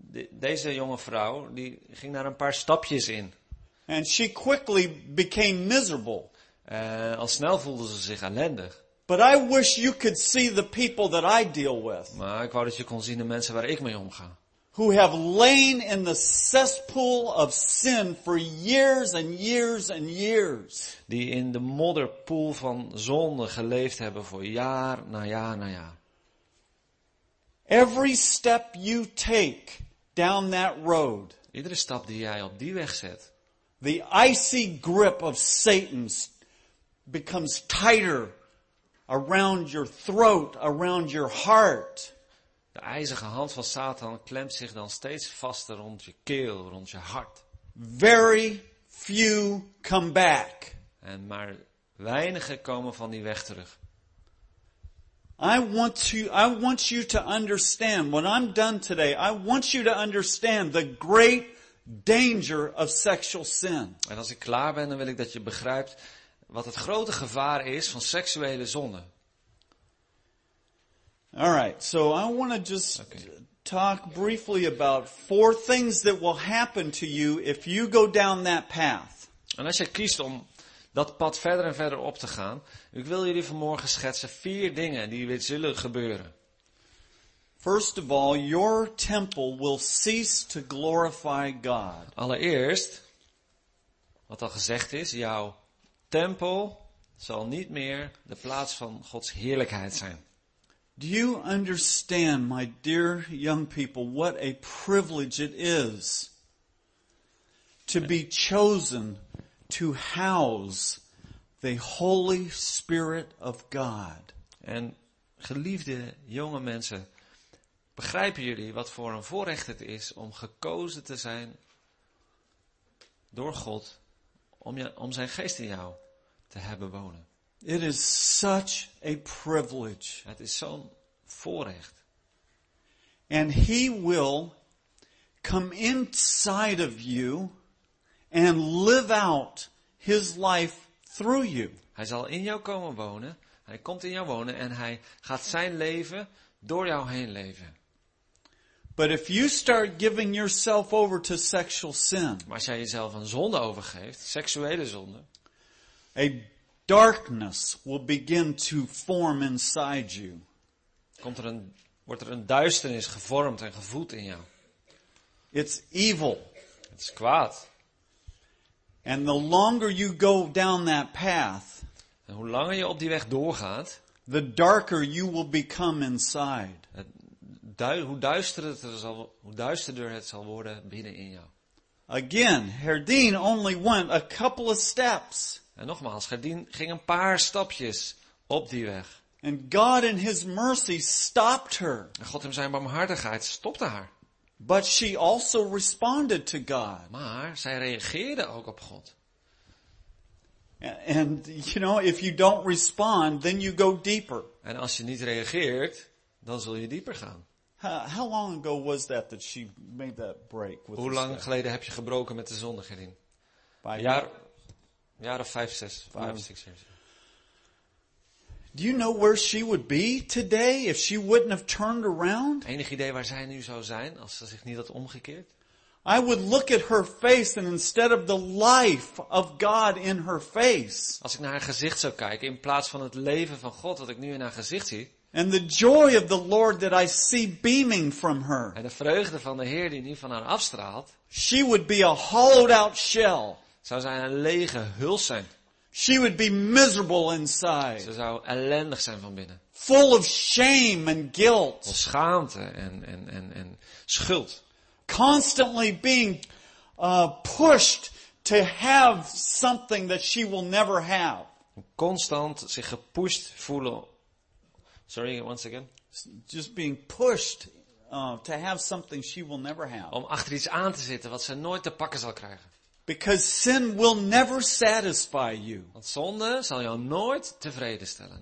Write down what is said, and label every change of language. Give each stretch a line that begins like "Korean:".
Dutch: Deze jonge vrouw die ging daar een paar stapjes in.
English: And she quickly became miserable.
Dutch: Al snel voelde ze zich ellendig.
English: But I wish you could see the people that I deal with.
Dutch: Maar ik wou dat je kon zien de mensen waar ik mee omga.
English: Who have lain in the cesspool of sin for years and years and years.
Dutch: Die in de modderpoel van zonde geleefd hebben voor jaar na jaar na jaar.
English: Every step you take down that road.
Dutch: Iedere stap die jij op die weg zet.
English: The icy grip of Satan becomes tighter around your throat, around your heart.
Dutch: De ijzige hand van Satan klemt zich dan steeds vaster rond je keel, rond je hart.
English: Very few come back.
Dutch: En maar weinigen komen van die weg terug.
English: I want you to understand when I'm done today. I want you to understand the great danger of sexual sin.
Dutch: En als ik klaar ben, dan wil ik dat je begrijpt wat het grote gevaar is van seksuele zonde.
English: All right, so I want to just talk briefly about 4 things that will happen to you if you go down that path.
Dutch: En als je kiest om dat pad verder en verder op te gaan, ik wil jullie vanmorgen schetsen 4 dingen die weer zullen gebeuren.
English: First of all, your temple will cease to glorify God.
Dutch: Allereerst, wat al gezegd is, jouw tempel zal niet meer de plaats van Gods heerlijkheid zijn.
English: Do you understand, my dear young people, what a privilege it is to be chosen to house the Holy Spirit of God?
Dutch: En geliefde jonge mensen, begrijpen jullie wat voor een voorrecht het is om gekozen te zijn door God om zijn geest in jou te hebben wonen?
English: It is such a privilege.
Dutch: Het is zo'n voorrecht.
English: And he will come inside of you and live out his life through you.
Dutch: Hij zal in jou komen wonen. Hij komt in jou wonen en hij gaat zijn leven door jou heen leven.
English: But if you start giving yourself over to sexual sin.
Dutch: Maar als jij jezelf een zonde overgeeft, seksuele zonde.
English: A darkness will begin to form inside you.
Dutch: Wordt er een duisternis gevormd en gevoed in jou.
English: It's evil.
Dutch: Het is kwaad.
English: And the longer you go down that path,
Dutch: en hoe langer je op die weg doorgaat,
English: the darker you will become inside.
Dutch: Hoe duisterder het zal worden binnen in jou.
English: Again, Herdien only went a couple of steps.
Dutch: En nogmaals, Herdien ging een paar stapjes op die weg.
English: And God in his mercy stopped her.
Dutch: En God in zijn barmhartigheid stopte haar.
English: But she also responded to God.
Dutch: Maar zij reageerde ook op God.
English: And you know, if you don't respond, then you go deeper.
Dutch: En als je niet reageert, dan zul je dieper gaan.
English: How long ago was that she made that break with?
Dutch: Hoe lang geleden heb je gebroken met de zonde, Gerien? Een jaar of 5, 6.
English: Do you know where she would be today if she wouldn't have turned around?
Dutch: Enig idee waar zij nu zou zijn als ze zich niet had omgekeerd?
English: I would look at her face and instead of the life of God in her face.
Dutch: Als ik naar haar gezicht zou kijken in plaats van het leven van God wat ik nu in haar gezicht zie.
English: And the joy of the Lord that I see beaming from her.
Dutch: En de vreugde van de Heer die nu van haar afstraalt.
English: She would be a hollowed out shell.
Dutch: Zou zij een lege huls zijn.
English: She would be miserable inside.
Dutch: Ze zou ellendig zijn van binnen.
English: Full of shame and guilt.
Dutch: Vol schaamte en schuld.
English: Constantly being pushed to have something that she will never have.
Dutch: Constant zich gepusht voelen.
English: Sorry, once again. Just being pushed to have something she will never have.
Dutch: Om achter iets aan te zitten wat ze nooit te pakken zal krijgen.
English: Because sin will never satisfy you.
Dutch: Want zonde zal jou nooit tevreden stellen.